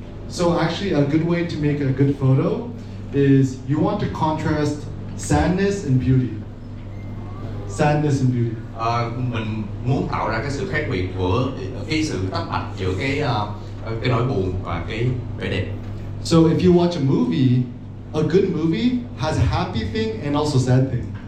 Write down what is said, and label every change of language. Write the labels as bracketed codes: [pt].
[en] So actually, a good way to make a good photo is you want to contrast sadness and beauty. Sadness and beauty. [vi] Mình muốn tạo ra cái sự khác biệt của cái sự tách bạch giữa cái nỗi buồn và cái vẻ đẹp. [en] So if you watch a movie, a good movie has a happy thing and also sad thing.